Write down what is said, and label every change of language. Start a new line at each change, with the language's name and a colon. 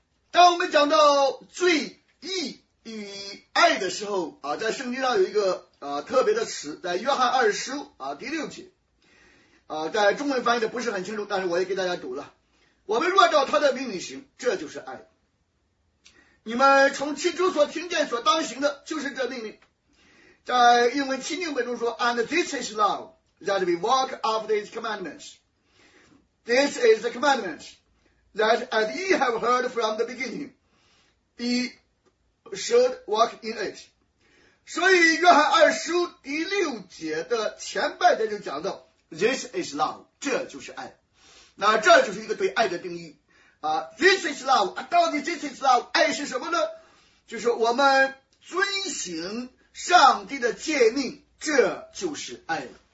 Chinese: 当我们讲到罪义与爱的时候在圣经上有一个特别的词，在约翰二书第六节在中文翻译的不是很清楚，但是我也给大家读了，我们若照他的命令行，这就是爱，你们从起初所听见所当行的就是这命令。在英文钦定本中说
English: And this is love that we walk after his commandments, this is the commandment that as ye have heard from the beginning ye should walk in it。
Chinese: 所以约翰二书第六节的前半节就讲到
English: This is love，
Chinese: 这就是爱。那这就是一个对爱的定义
English: This is love，
Chinese: 到底 This is love 爱是什么呢？就是我们遵行上帝的诫命，这就是爱了。